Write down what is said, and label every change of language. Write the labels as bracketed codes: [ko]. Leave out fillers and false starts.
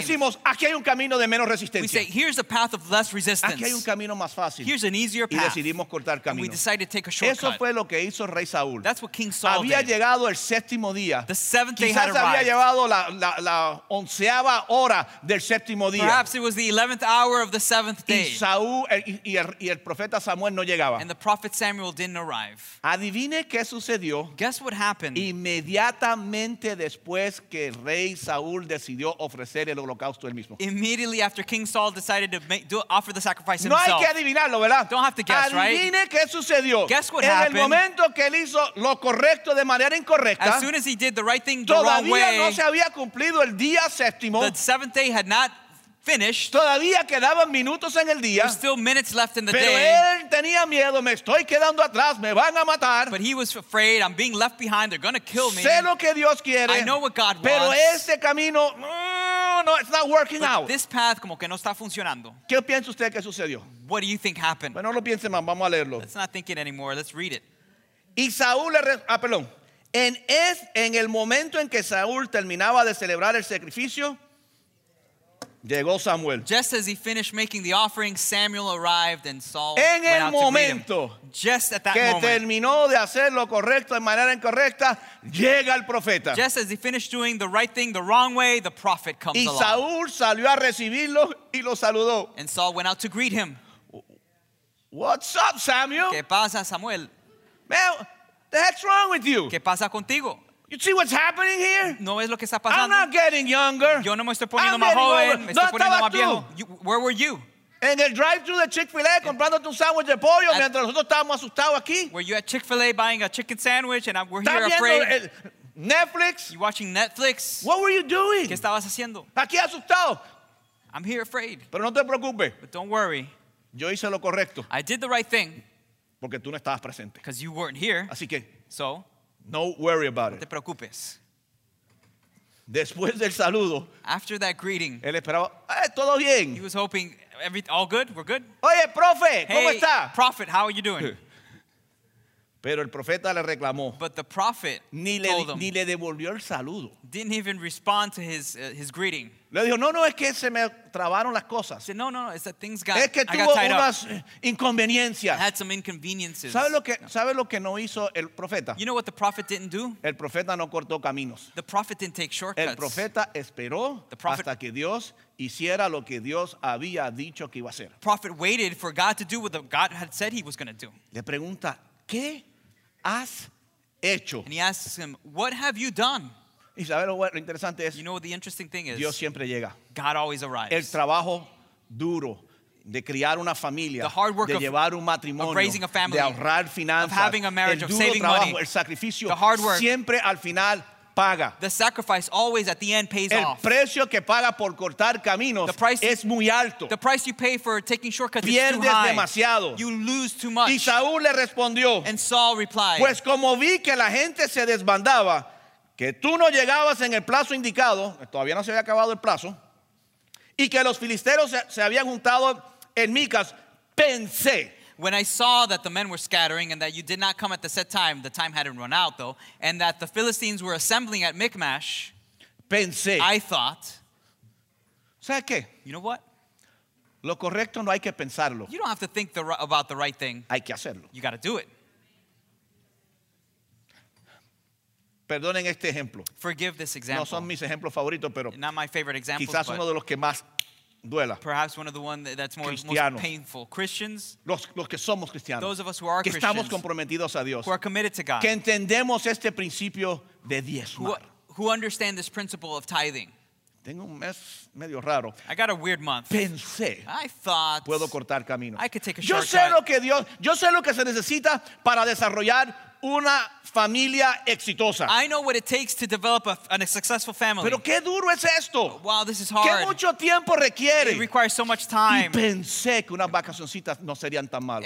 [es] Decimos, aquí hay un camino de menos resistencia. [en] We say, here's a path of less resistance. [es] Aquí hay un camino más fácil. [en] Here's an easier path. [es] Y decidimos cortar camino. [en] And we decided to take a shortcut. [es] Eso fue lo que hizo el rey Saúl. [en] That's what King Saul [es] había [en] did. [es] Llegado el séptimo día. [en] The seventh day [es] quizás [en] had arrived. [es] Había llevado la onceava hora del séptimo día. [en] Perhaps it was the 11th hour of the seventh day. [es] Y Saúl y el profeta Samuel no llegaba. [en] And the prophet Samuel didn't arrive. [es] Adivine qué sucedió. [en] Guess what happened. [es] Inmediatamente después que el rey Saúl decidió ofrecer el holocausto él mismo. [en] Immediately after King Saul decided to offer the sacrifice [es] no [en] himself. [es] No hay que adivinarlo, ¿verdad? [en] Don't have to guess, [es] adivine [en] right? [es] Adivine qué sucedió. [en] Guess what [es] en [en] happened. [es] En el momento que él hizo lo correcto de manera incorrecta. [en] As soon as he did the right thing the [es] todavía [en] wrong way. [es] No se había cumplido el día. [en] The seventh day had not finished. [es] Todavía quedaban minutos en el día. [en] There were still minutes left in the [es] pero [en] day. [es] Él tenía miedo. Me estoy quedando atrás. Me van a matar. [en] But he was afraid. I'm being left behind. They're going to kill me. [es] Sé lo que Dios quiere. [en] I know what God [es] pero [en] wants. [es] Pero ese camino, no, [en] it's not working but out. This path [es] como que no está funcionando. ¿Qué piensa usted que sucedió? [en] What do you think happened? [es] Bueno, no lo piense más. Vamos a leerlo. [en] Let's not think it anymore. Let's read it. [es] Y Saúl le perdón. En el momento en que Saúl terminaba de celebrar el sacrificio, llegó Samuel. [en] Just as he finished making the offering, Samuel arrived and Saul went [es] en el [en] out [es] momento [en] to meet him. Just at that [es] que [en] moment. [es] Terminó de hacer lo correcto de manera incorrecta, llega el profeta. [en] Just as he finished doing the right thing the wrong way, the prophet comes [es] y [en] along. [es] Y Saúl salió a recibirlo y lo saludó. [en] And Saul went out to greet him. What's up, Samuel? [es] ¿Qué pasa, Samuel? [en] Man, the heck's wrong with you? [es] ¿Qué pasa contigo? [en] You see what's happening here? [es] No es lo que está pasando. [en] I'm not getting younger. [es] Yo no me estoy poniendo más joven. Me estoy poniendo más viejo. [en] Where were you? [es] En el drive-thru de Chick-fil-A comprando tu sándwich de pollo mientras nosotros estábamos asustados aquí. [en] Were you at Chick-fil-A buying a chicken sandwich and we're here afraid? Netflix. You watching Netflix? What were you doing? [es] ¿Qué estabas haciendo? Aquí asustado. [en] I'm here afraid. [es] Pero no te preocupes. [en] But don't worry. [es] Yo hice lo correcto. [en] I did the right thing. [es] Porque tú no estabas presente. [en] Because you weren't here. [es] Así que, [en] so, no worry about it. [es] No te preocupes. Después del saludo, [en] after that greeting, [es] él esperaba, todo bien. [en] He was hoping, all good, we're good. [es] Oye, profe, [en] hey, [es] ¿cómo está? [en] Prophet, how are you doing? [es] Pero el profeta le reclamó. [en] But the prophet told him. [es] Ni le devolvió el saludo. [en] Didn't even respond to his greeting. [es] Le dijo, no, no, es que se me trabaron las cosas. [en] Said, no, it's that things got tied up. [es] Es que tuvo unas inconveniencias. [en] I had some inconveniences. [es] ¿Sabe lo que no hizo el profeta? [en] You know what the prophet didn't do? [es] El profeta no cortó caminos. [en] The prophet didn't take shortcuts. [es] El profeta esperó hasta que Dios hiciera lo que Dios había dicho que iba a hacer. [en] The prophet waited for God to do what God had said he was going to do. [es] Le pregunta, ¿qué has hecho? [en] And he asks him, what have you done? [es] Y sabes lo interesante es, [en] you know what the interesting thing is? [es] Dios siempre llega. [en] God always arrives. [es] El trabajo duro de criar una familia, [en] the hard work [es] de llevar un matrimonio, [en] of raising a family, [es] de ahorrar finanzas, [en] of having a marriage, [es] el duro [en] of saving [es] trabajo, [en] money, [es] el sacrificio, [en] the hard work, [es] siempre al final paga. [en] The sacrifice always at the end pays [es] el [en] off. [es] El precio que paga por cortar caminos es muy alto. [en] The price you pay for taking shortcuts [es] pierdes [en] is too high. [es] Pierdes demasiado. [en] You lose too much. [es] Y Saúl le respondió. [en] And Saul replied. [es] Pues como vi que la gente se desbandaba, que tú no llegabas en el plazo indicado, todavía no se había acabado el plazo, y que los filisteros se habían juntado en Micas, pensé. [en] When I saw that the men were scattering and that you did not come at the set time, the time hadn't run out though, and that the Philistines were assembling at Michmash, [es] pensé, [en] I thought, [es] ¿sabes qué? [en] You know what? [es] Lo correcto no hay que pensarlo. [en] You don't have to think about the right thing. [es] Hay que hacerlo. [en] You got to do it. [es] Perdonen este ejemplo. [en] Forgive this example. [es] No son mis ejemplos favoritos, pero [en] not my favorite example, [es] quizás uno de los que más duela. [en] Perhaps one of the ones that's more, most painful. Christians. [es] Los que somos cristianos. [en] Those of us who are [es] que [en] Christians. [es] Estamos comprometidos a Dios, [en] who are committed to God. [es] Que entendemos este principio de diezmar. [en] Who understand this principle of tithing. [es] Tengo un mes medio raro. [en] I got a weird month. [es] Pensé. [en] I thought. [es] Puedo cortar camino. [en] I could take a [es] yo [en] shortcut. [es] Sé lo que Dios, yo sé lo que se necesita para desarrollar una familia exitosa. [en] I know what it takes to develop a successful family. [es] Pero qué duro es esto. [en] Wow, this is hard. [es] Qué mucho tiempo requiere. [en] It requires so much time. [es] Y pensé que unas vacacioncitas no serían tan malas.